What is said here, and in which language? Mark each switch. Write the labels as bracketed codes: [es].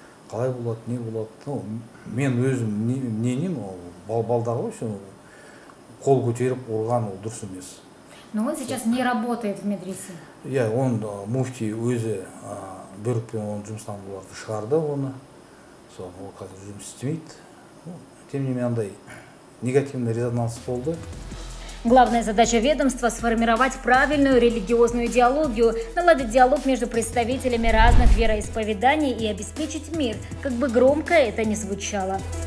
[kk] Қалай болады, не болады? Мен өзім ненем, балдар ғой, қол көтеріп ұрған ол дұрыс емес. [ru] Но он сейчас не работает в медресе. [kk] Иә, он муфти өзі бұйрықпен оны жұмыстан бұларды шығарды оны. Сол ол қазір жұмыс істемейді. [ru] Тем не менее, негативный резонанс [kk] полды. [ru] Главная задача ведомства – сформировать правильную религиозную идеологию, наладить диалог между представителями разных вероисповеданий и обеспечить мир, как бы громко это ни звучало.